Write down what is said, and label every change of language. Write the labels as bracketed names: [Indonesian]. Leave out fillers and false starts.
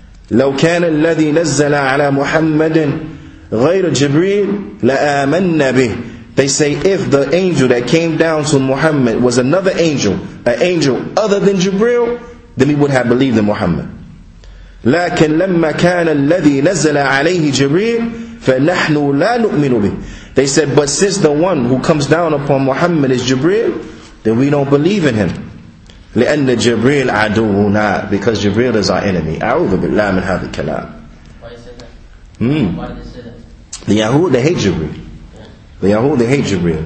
[Arabic] لو كان الذي نزل على محمد غير جبريل لآمنا به. [English] They say if the angel that came down to Muhammad was another angel, an angel other than Jibreel, then we would have believed in Muhammad. [Arabic] لكن لما كان الذي نزل عليه جبريل فنحن لا نؤمن به. [English] They said, but since the one who comes down upon Muhammad is Jibreel, then we don't believe in him. [Arabic] لِأَنَّ جِبْرِيلْ عَدُوُنَا. [English] Because Jibreel is our enemy. [Arabic] أَعُوذُ بِاللَّهِ مِنْ هَذِي الْكَلَامِ. [English] Why did they say that? The Yahud, they hate Jibreel. The Yahud, they hate Jibreel.